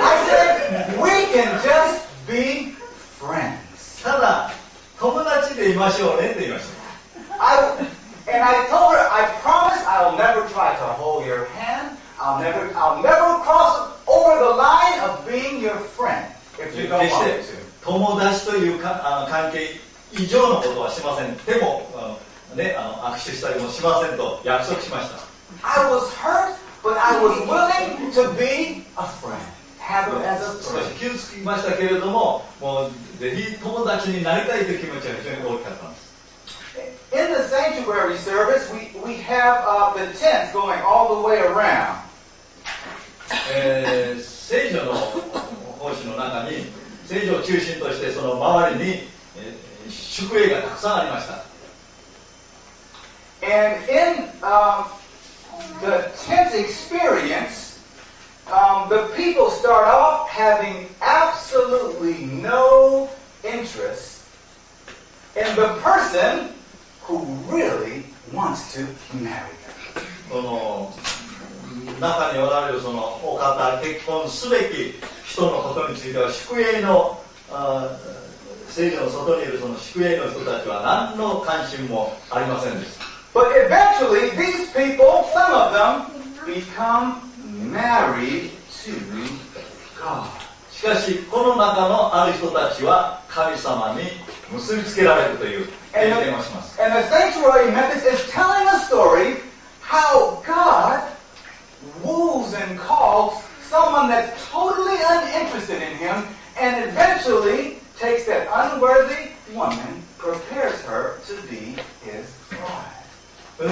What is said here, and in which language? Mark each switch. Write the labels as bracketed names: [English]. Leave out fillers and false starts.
[English] I said, we can just be friends. [Japanese] ただ、友達でいましょうねって言いました。 [English] And I told her, I promise I'll never try to hold your hand. I'll never cross over the line of being your friend. If you don't want to. [Japanese] 友達というか、関係以上のことはしません。でも、握手したりもしませんと約束しました。 [English] I was hurt, but I was willing to be a friend. Have it as a friend. [Japanese] 少し傷つきましたけれども、もうぜひ友達になりたいという気持ちは非常に大きかったんです。 [English] In the sanctuary service, we have the tents going all the way around. [Japanese] 聖所の奉仕の中に、聖所を中心としてその周りに、宿営がたくさんありました。 [English] And in the tent experience, the people start off having absolutely no interest in the person who really wants to marry them. [Japanese] この中におられるそのお方、結婚すべき人のことについては宿営の聖女の外にいるその宿営の人たちは何の関心もありませんでした。 [English] But eventually these people, some of them, become married to God. [Japanese] しかしこの中のある人たちは神様に結びつけられるという経験をします。 [English] And the sanctuary method is telling a story how God woos and calls someone that's totally uninterested in him and eventually takes that unworthy woman, prepares her to be his bride.